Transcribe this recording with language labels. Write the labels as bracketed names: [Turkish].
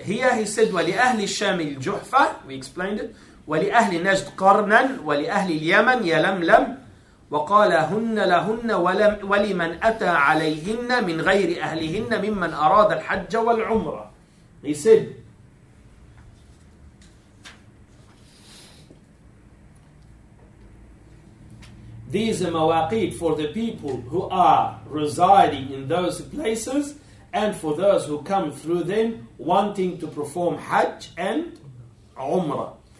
[English] Here he said, [Arabic] "Wali ahli Sham al Juhfa." [English] We explained it. [Arabic] ولأهل نجد قرنا ولأهل اليمن يلملم وقال هن لهن ولمن أتى عليهن من غير أهلهن ممن أراد الحج والعمرة. [English] He said, these are mawaqid for the people who are residing in those places and for those who come through them wanting to perform Hajj and Umrah.